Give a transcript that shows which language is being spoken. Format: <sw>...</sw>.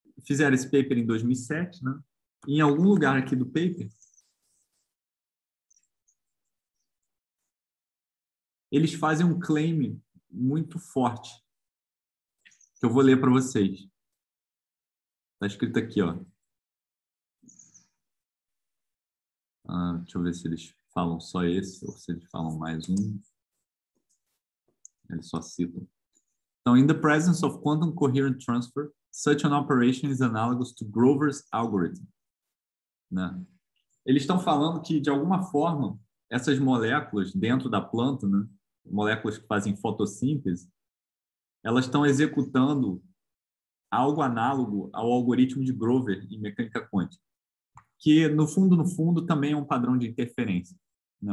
<pt>fizeram esse paper em 2007, né? Em algum lugar aqui do paper, eles fazem um claim muito forte, que eu vou ler para vocês. Está escrito aqui, ó. Ah, deixa eu ver se eles falam só esse ou se eles falam mais um. Eles só citam. Então,</pt> <en>in the presence of quantum coherent transfer, such an operation is analogous to Grover's algorithm.</en> <pt>Né? Eles estão falando que, de alguma forma, essas moléculas dentro da planta, né, moléculas que fazem fotossíntese, elas estão executando algo análogo ao algoritmo de Grover em mecânica quântica, que, no fundo, também é um padrão de interferência. Né?</pt>